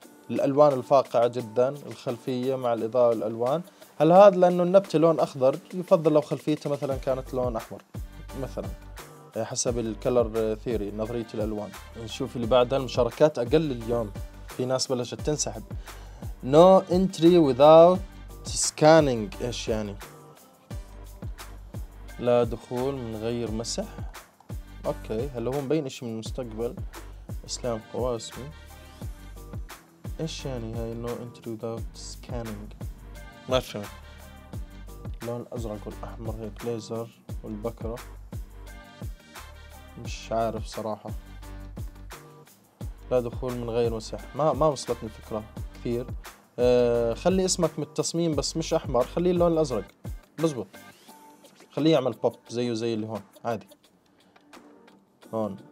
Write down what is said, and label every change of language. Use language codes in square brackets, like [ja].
[ar] الألوان الفاقعة جدا الخلفية مع الإضاءة والألوان. هل هذا لأنه النبتة لون أخضر؟ يفضل لو خلفيته مثلا كانت لون أحمر مثلا حسب الكلر ثيري نظرية الألوان. نشوف اللي بعدها. المشاركات أقل اليوم، في ناس بلشت تنسحب. [en] No entry without scanning. [ar] إيش يعني لا دخول من غير مسح؟ أوكي، هل هو مبين إيش من المستقبل؟ إسلام قواسمي. إيش يعني هاي [en] No entry without scanning؟ [ar] ما فهمت. لون أزرق والأحمر هيك ليزر والبكرة، مش عارف صراحة. لا دخول من غير مسح، ما وصلتني الفكرة كثير. خلي اسمك من التصميم بس مش أحمر، خليه اللون الأزرق بزبط، خليه يعمل بوب زيه زي اللي هون عادي هون.